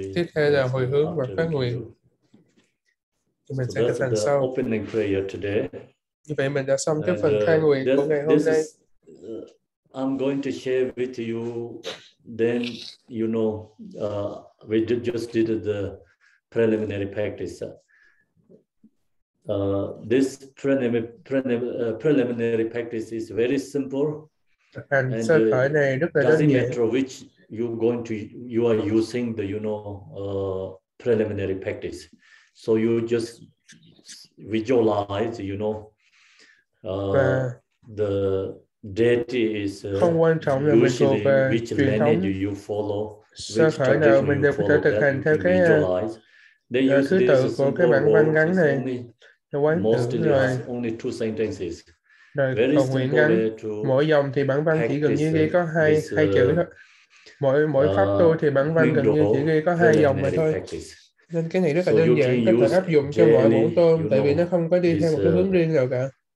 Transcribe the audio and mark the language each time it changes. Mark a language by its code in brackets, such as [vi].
[vi] Tiếp theo là hồi hướng và phát nguyện. Chúng mình sẽ phần sau. [en] The opening prayer today. [vi] Như vậy mình đã xong cái phần khai nguyện của ngày hôm nay. [en] I'm going to share with you. Then you know, we just did the preliminary practice. This preliminary practice is very simple. [vi] Hành sơ khởi này rất là đơn giản. [en] You are using the, you know, preliminary practice. So you just visualize, you know, the deity is which lineage you follow, which tradition you follow, that you visualize. They use this simple verse, most of us, only two sentences. [vi] Rồi, [en] very simple [vi] ngắn. Way to mỗi dòng thì bản văn chỉ gần như ghi có hai chữ thôi. Mỗi pháp tu thì bản văn gần như chỉ ghi có hai dòng mà thôi. Nên cái này rất là đơn giản, có thể áp dụng cho mọi bổn tôn, tại vì nó không có đi theo một cái hướng riêng nào cả.